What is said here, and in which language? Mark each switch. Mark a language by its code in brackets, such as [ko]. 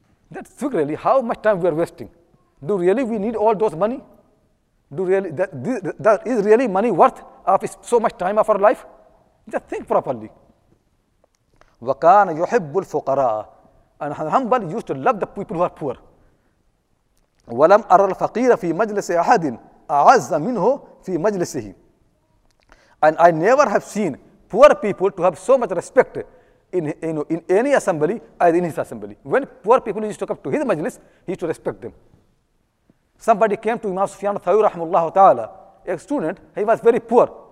[en] That's really how much time we are wasting. Do really we need all those money? Do really, that is really money worth of so much time of our life? Just think properly. [ar] وَكَانَ يُحِبُّ الْفُقَرَاءَ. [en] And Ahmad Hanbal used to love the people who are poor. [ar] وَلَمْ أَرَى الْفَقِيرَ فِي مَجْلِسِ أَحَدٍ أَعَزَّ مِنْهُ فِي مَجْلِسِهِ. [en] And I never have seen poor people to have so much respect in any assembly as in his assembly. When poor people used to come to his majlis, he used to respect them. Somebody came to Imam Sufyan Thawri rahimahullah ta'ala, a student, he was very poor.